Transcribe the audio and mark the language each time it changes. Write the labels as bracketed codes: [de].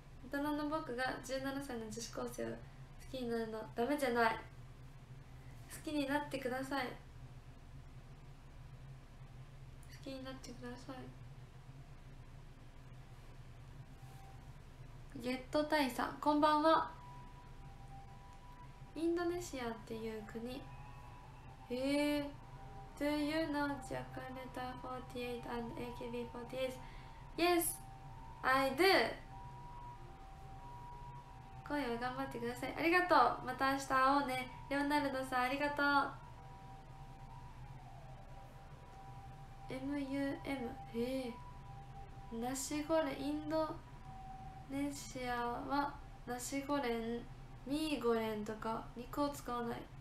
[ja] 大人の僕が17歳の女子高生を好きになるのダメじゃない。好きになってください。好きになってください。ゲットタイさん、こんばんは。インドネシアっていう国、 [en] Do you know Jakarta 48 and AKB 48? Yes, I do. [ja] 今夜は頑張ってください。ありがとう。また明日会おうね、レオナルドさん。ありがとう。 MUM、 ナシゴレ、インドネシアはナシゴレン、ミーゴレンとか肉を使わない。